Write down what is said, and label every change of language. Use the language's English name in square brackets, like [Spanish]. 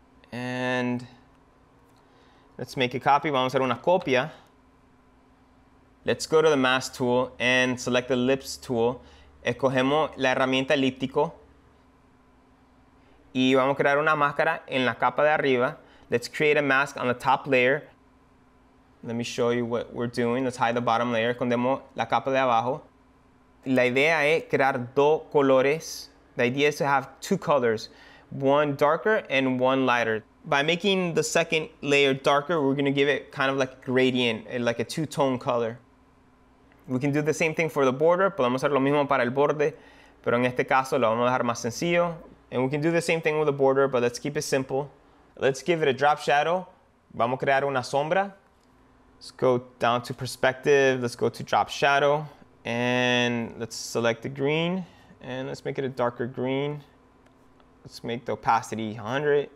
[English] And let's make a copy. [Spanish] Vamos a hacer una copia. [English] Let's go to the mask tool and select the lips tool. [Spanish] Escogemos la herramienta elíptico. Y vamos a crear una máscara en la capa de arriba. [English] Let's create a mask on the top layer. Let me show you what we're doing. Let's hide the bottom layer. [Spanish] Escondemos la capa de abajo. La idea es crear dos colores. [English] The idea is to have two colors, one darker and one lighter. By making the second layer darker, we're going to give it kind of like a gradient, like a two-tone color. We can do the same thing for the border. [Spanish] Podemos hacer lo mismo para el borde, pero en este caso lo vamos a dejar más sencillo. [English] And we can do the same thing with the border, but let's keep it simple. Let's give it a drop shadow. [Spanish] Vamos a crear una sombra. [English] Let's go down to perspective. Let's go to drop shadow. And let's select the green. And let's make it a darker green. Let's make the opacity 100.